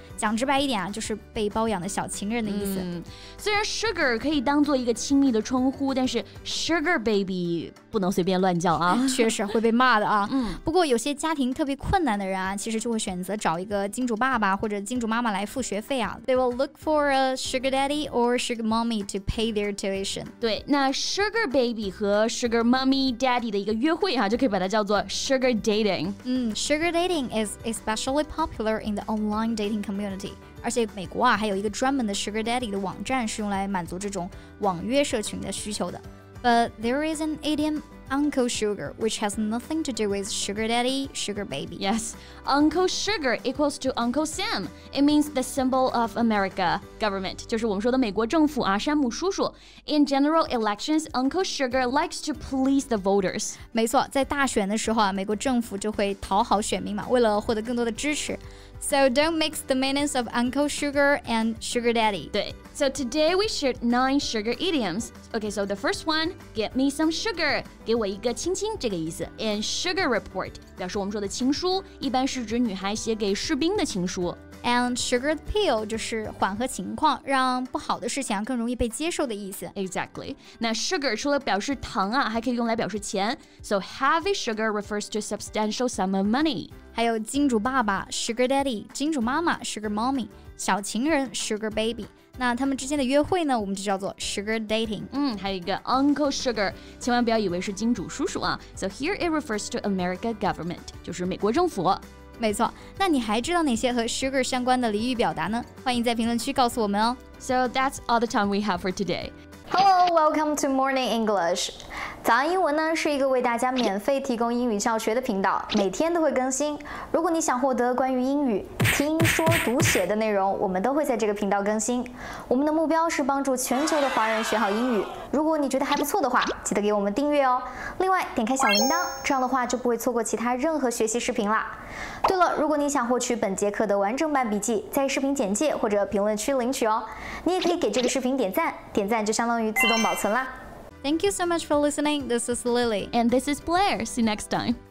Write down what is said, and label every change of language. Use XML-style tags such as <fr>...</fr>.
<zh>讲直白一点啊，就是被包养的小情人的意思。虽然 sugar 可以当做一个亲密的称呼，但是 sugar baby 不能随便乱叫啊，确实会被骂的啊。不过有些家庭特别困难的人啊，其实就会选择找一个金主爸爸或者金主妈妈来付学费啊。</zh> <en>They will look for a sugar daddy or sugar mommy to pay their tuition.</en> <zh>对，那 sugar baby 和 sugar mommy daddy 的一个约会啊，就可以把它叫做 sugar dating.</zh> <en>Sugar dating is especially popular in the online dating community.</en> <zh>而且美国啊还有一个专门的 Sugar Daddy 的网站是用来满足这种网约社群的需求的。</zh> <en>But there is an idiom Uncle Sugar, which has nothing to do with Sugar Daddy, Sugar Baby. Yes, Uncle Sugar equals to Uncle Sam. It means the symbol of America government.</en> <zh>就是我们说的美国政府啊，山姆叔叔。</zh> <en>In general elections, Uncle Sugar likes to please the voters.</en> <zh>没错，在大选的时候啊，美国政府就会讨好选民嘛，为了获得更多的支持。</zh> <en>So don't mix the meanings of Uncle Sugar and Sugar Daddy. 对 So today we shared 9 sugar idioms. Okay, so the first one, get me some sugar,</en> <zh>给我一个亲亲这个意思</zh> <en>And sugar report,</en> <zh>表示我们说的情书一般是指女孩写给士兵的情书 And sugar pill, 就是缓和情况让不好的事情更容易被接受的意思</zh> <en>Exactly.</en> <zh>那 sugar 除了表示糖啊还可以用来表示钱</zh> <en>So heavy sugar refers to a substantial sum of money.</en> <zh>还有金主爸爸 Sugar Daddy 金主妈妈 Sugar Mommy 小情人 Sugar Baby 那他们之间的约会呢我们就叫做 Sugar Dating 嗯，还有一个 Uncle Sugar 千万不要以为是金主叔叔啊</zh> <en>So here it refers to America government</en> <zh>就是美国政府没错那你还知道哪些和 Sugar 相关的俚语表达呢欢迎在评论区告诉我们哦</zh> <en>So that's all the time we have for today Hello, welcome to Morning English.</en> <zh>早安英文呢是一个为大家免费提供英语教学的频道，每天都会更新。如果你想获得关于英语听说读写的内容，我们都会在这个频道更新。我们的目标是帮助全球的华人学好英语。如果你觉得还不错的话，记得给我们订阅哦。另外，点开小铃铛，这样的话就不会错过其他任何学习视频啦。对了，如果你想获取本节课的完整版笔记，在视频简介或者评论区领取哦。你也可以给这个视频点赞，点赞就相当于自动保存啦。</zh> <en>Thank you so much for listening. This is Lily. And this is Blair. See you next time.</en>